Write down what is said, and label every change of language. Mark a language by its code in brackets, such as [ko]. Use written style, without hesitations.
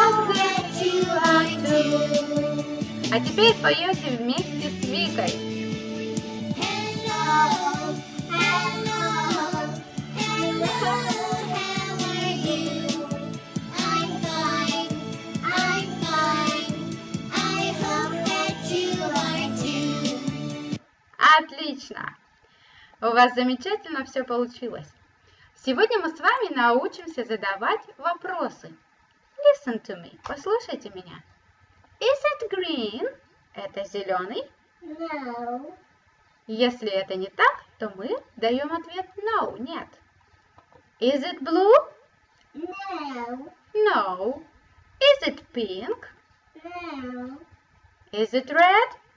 [ru] А теперь поете вместе с Викой. [en] Hello, hello, hello, how are you? I'm fine, I hope that you are too. [ru] Отлично! У вас замечательно все получилось. Сегодня мы с вами научимся задавать вопросы. [en] Listen to me, [ru] послушайте меня. [en] Is it green? [ru] Это зеленый? [en] No. [ru] Если это не так, то мы даем ответ no, нет. [en] Is it blue? No. No. Is it pink? No. Is it red?